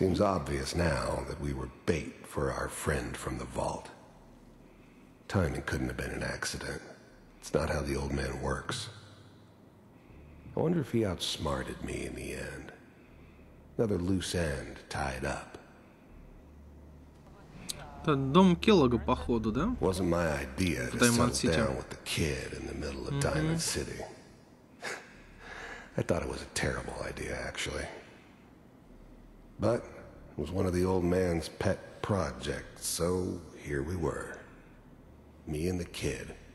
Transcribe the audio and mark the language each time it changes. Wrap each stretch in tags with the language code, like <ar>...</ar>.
<en>Seems obvious now that we were bait for our friend from the vault. Timing couldn't have been an accident. It's not how the old man works. I wonder if he outsmarted me in the end. Another loose end tied up.</en> <ru>Это дом Келлога, походу, да?</ru> <en>Wasn't my idea to settle down with the kid in the middle of Diamond City. I thought it was a terrible idea, actually. But it was one of the old man's pet projects, so here we were. Me and the kid.</en>